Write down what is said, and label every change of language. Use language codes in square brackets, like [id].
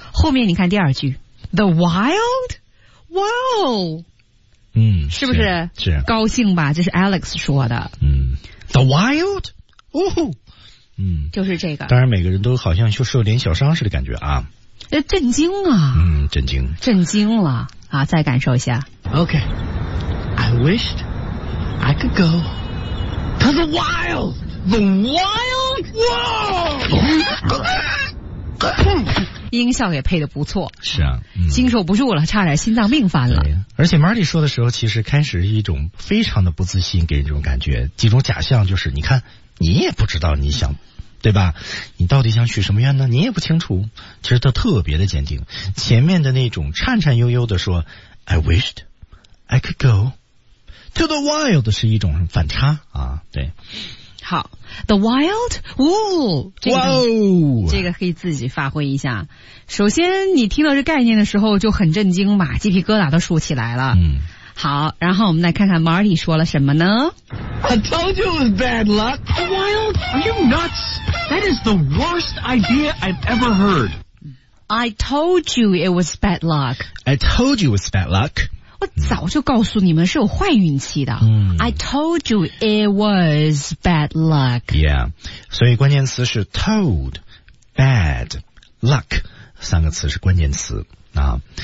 [zh] 后面你看第二句 ， [en] The wild world。 [zh] 嗯，是不是？是高兴吧？这是 Alex 说的。嗯 ， [en] The Wild， [zh] 哦，嗯，就是这个。当然，每个人都好像就受点小伤似的感觉啊。震惊啊！嗯，震惊，震惊了啊！再感受一下。 [en] Okay, I wished I could go to the wild, the wild world. [zh] 音效也配得不错，是啊、经受不住了，差点心脏病犯了。对，而且 Marty 说的时候，其实开始是一种非常的不自信，给人这种感觉，几种假象，就是你看你也不知道你想、对吧，你到底想许什么愿呢，你也不清楚，其实他特别的坚定。前面的那种颤颤悠悠的说 [en] I wished I could go to the wild [zh] 是一种反差啊。对，好 ， [en] The wild, [zh] 哦，这个、这个可以自己发挥一下。首先，你听到这概念的时候就很震惊嘛，鸡皮疙瘩都竖起来了。嗯，好，然后我们来看看 Marty 说了什么呢 [en] ？I told you it was bad luck. The wild? Are you nuts? That is the worst idea I've ever heard. I told you it was bad luck. I told you it was bad luck. [zh] 我早就告诉你们是有坏运气的。嗯 [en] ，I told you it was bad luck. Yeah, [zh] 所以关键词是 told, bad, luck 三个词是关键词啊。